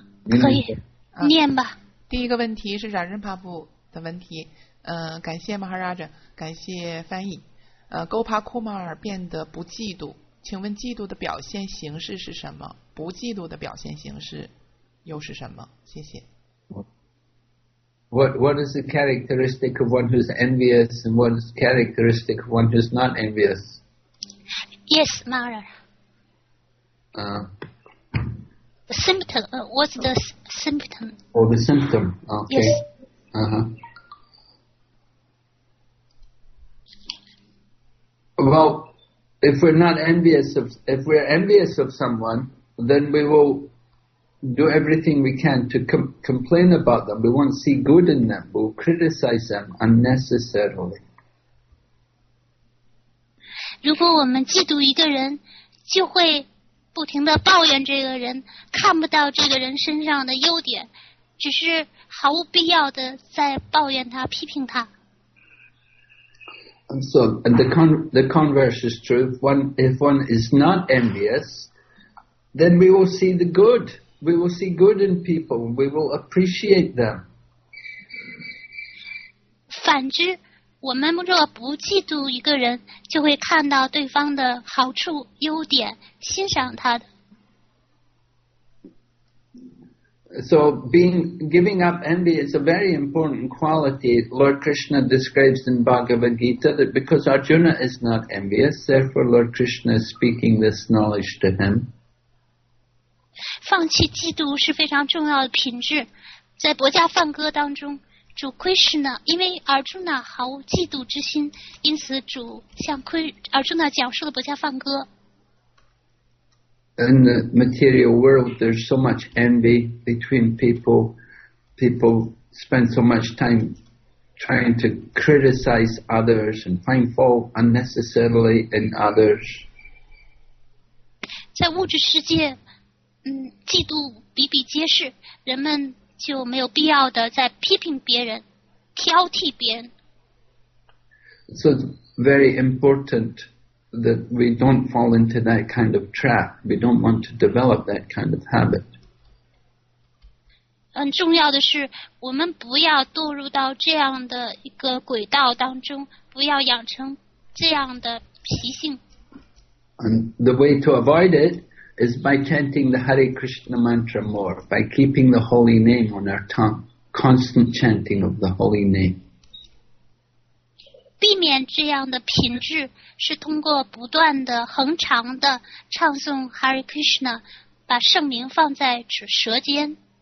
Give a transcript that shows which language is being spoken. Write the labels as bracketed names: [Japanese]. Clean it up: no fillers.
[Chinese] 可以念吧。第一个问题是冉任帕布的问题，感谢马哈拉扎，感谢翻译。 Gopal Kumar 变得不嫉妒，请问嫉妒的表现形式是什么？不嫉妒的表现形式又是什么？谢谢。 [English] What is the characteristic of one who's envious and what is the characteristic of one who's not envious? Yes, Mara. The symptom, what's the symptom? Oh, the symptom, okay. Yes. Well, if we're not envious of, if we're envious of someone, then we will do everything we can to complain about them. We won't see good in them. We'll criticize them unnecessarily. [Chinese] 如果我们嫉妒一个人，就会不停地抱怨这个人，看不到这个人身上的优点，只是毫无必要地在抱怨他，批评他。 [English] And so and the converse is true. If one is not envious, then we will see the good. We will see good in people. We will appreciate them. [Chinese] 反之，我们若不嫉妒一个人，就会看到对方的好处、优点，欣赏他的。 [English] So giving up envy is a very important quality. Lord Krishna describes in Bhagavad Gita that because Arjuna is not envious, therefore Lord Krishna is speaking this knowledge to him. [Chinese] 放弃嫉妒是非常重要的品质。在薄伽梵歌当中，主 Krishna 因为 Arjuna 毫无嫉妒之心，因此主向 Arjuna 讲述了薄伽梵歌。 [English] In the material world, there's so much envy between people. People spend so much time trying to criticize others and find fault unnecessarily in others. [Chinese] 在物质世界，嫉妒比比皆是，人们就没有必要的在批评别人，挑剔别人。 [English] So it's very important. That we don't fall into that kind of trap. We don't want to develop that kind of habit. [Chinese] 很重要的是，我们不要堕入到这样的一个轨道当中，不要养成这样的习性。 [English] And the way to avoid it is by chanting the Hare Krishna mantra more, by keeping the holy name on our tongue, constant chanting of the holy name. [Chinese] 避免这样的品质是通过不断的恒常的唱诵 Hare Krishna 把圣名放在舌尖。